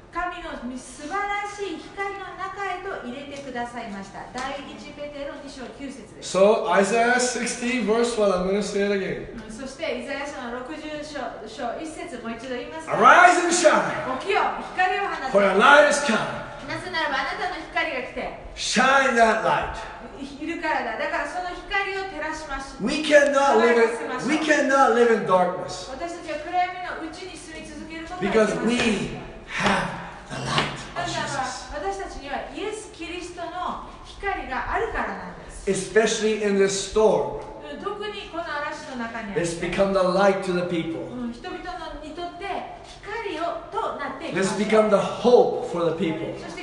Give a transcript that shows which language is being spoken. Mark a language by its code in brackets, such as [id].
[ja] 神の素晴らしい光の中へと入れてくださいました。第一ペテロ2章9節です。 [en] So Isaiah 60 verse 1, I'm going to say it again. [ja] そしてイザヤ書の60章1節、もう一度言います。 [en] Arise and shine! [ja] 起きよ、光を放て。 [en] For your light is come. [ja] なぜならばあなたの光が来て。 [en] Shine that light. [ja] いるからだ。だからその光を照らしまし、 [en] We cannot live in, we cannot live in darkness. [ja] 私たちは暗闇の内に住み続けることができます。 [en] Because we have the light of Jesus. [ja] 私たちにはイエス・キリストの光があるからなんです。 [en] Especially in this storm. [ja] 特にこの嵐の中にあって [en] 。 It's become the light to the people. [ja] 人々にとって光をとなってい [en] く。 It's become the hope for the people.